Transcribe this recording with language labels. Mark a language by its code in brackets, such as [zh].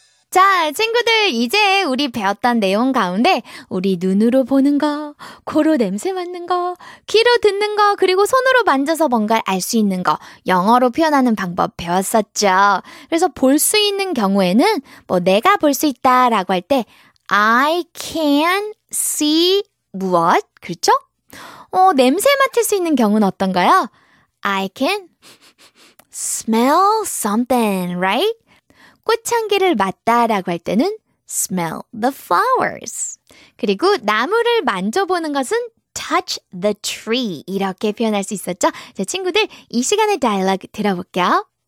[ko] 자, 친구들 이제 우리 배웠던 내용 가운데 우리 눈으로 보는 거, 코로 냄새 맡는 거, 귀로 듣는 거, 그리고 손으로 만져서 뭔가를 알 수 있는 거 영어로 표현하는 방법 배웠었죠. 그래서 볼 수 있는 경우에는 뭐 내가 볼 수 있다라고 할 때 [en] I can see [ko] 무엇? 그렇죠? 냄새 맡을 수 있는 경우는 어떤가요? [en] I can smell something, right? [ko] 꽃향기를 맡다라고 할 때는 [en] smell the flowers. [ko] 그리고 나무를 만져보는 것은 [en] touch the tree [ko] 이렇게 표현할 수 있었죠? 자, 친구들 이 시간의 dialogue 들어볼게요.